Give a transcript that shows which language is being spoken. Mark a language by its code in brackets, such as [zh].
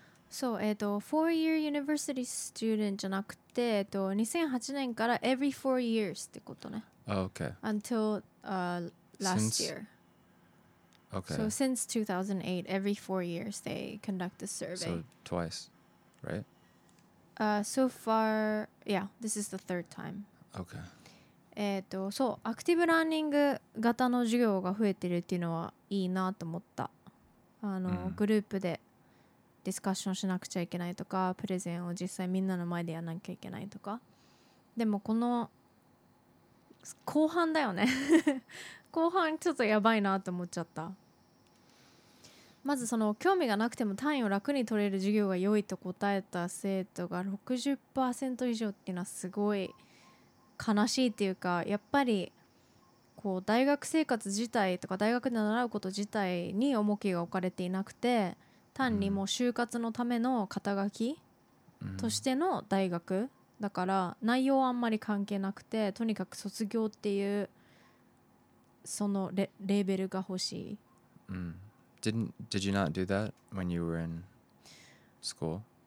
[en] So, four-year university student [ja] じゃなくて、2008年から [en] every 4 years [ja] ってことね。 [en] Okay. Until last year. Okay. So, since 2008, every 4 years they conduct a survey. So, twice, right? So far, yeah, this is the third time. Okay. [ja] そう、アクティブラーニング型の授業が増えてるっていうのはいいなと思った。グループでディスカッションしなくちゃいけないとか、プレゼンを実際みんなの前でやらなきゃいけないとか。でもこの後半だよね。後半ちょっとやばいなと思っちゃった。まずその興味がなくても単位を楽に取れる授業が良いと答えた生徒が 60% 以上っていうのはすごい悲しいっていうか、やっぱりこう大学生活自体とか大学で習うこと自体に重きが置かれていなくて、単にもう就活のための肩書きとしての大学だから内容はあんまり関係なくて、とにかく卒業っていうその レーベルが欲しい。 Mm. [en] Did you not do that when you were in school?